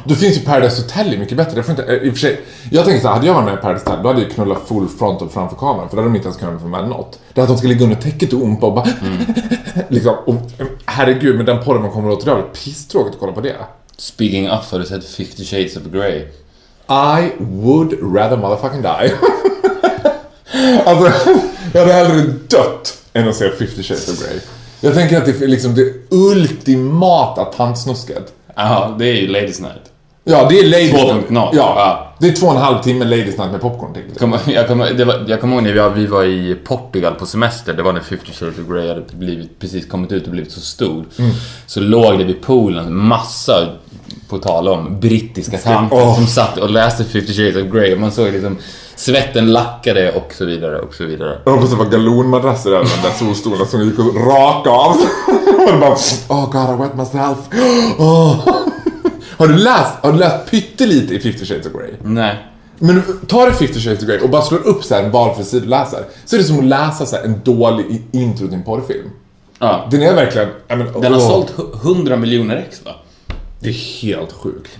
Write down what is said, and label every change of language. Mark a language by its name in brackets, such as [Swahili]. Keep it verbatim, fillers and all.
[Swedish] Då finns ju Paradise Hotel är mycket bättre. Jag, får inte, eh, i och för sig, jag tänker så här, hade jag varit med i Paradise Hotel då hade jag knullat full front och framför kameran. För då hade de inte ens kunnat få med något. Det är att de ska ligga under täcket och ompa och bara... liksom, och, eh, herregud, men den porren man kommer åt idag är pisstråkigt att kolla på det. [English] Speaking up, [Swedish] har du sett Fifty Shades of Grey? [English] I would rather motherfucking die. [Swedish] Alltså, jag hade hellre dött än att se Fifty Shades of Grey. Jag tänker att det är liksom det ultimata tantsnusket. Ja, det är ju Ladies Night. Ja, det är Ladies Night. Ja, ja, det är två och en halv timme Ladies Night med popcorn. Jag kommer, jag kommer, det var, jag kommer ihåg när vi var, vi var i Portugal på semester. Det var när Fifty Shades of Grey hade blivit, precis kommit ut och blivit så stor. Mm. Så låg det vid poolen massa, på tal om brittiska tanter oh. som satt och läste Fifty Shades of Grey. Man såg liksom svetten lackade och så vidare och så vidare. Jag hoppas det var galonmadrasser där, där solstolarna som gick och raka av. Och bara, [English] oh god, I wet myself. Oh. [Swedish] Har du läst, har du läst pyttelite i Fifty Shades of Grey? Nej. Men tar du Fifty Shades of Grey och bara slår upp så här en valfri sida du läser, så är det som att läsa så här en dålig intro till en porrfilm. Ja. Den är verkligen... [English] I mean, [Swedish] den har oh. sålt hundra miljoner ex, va? Det är helt sjukt.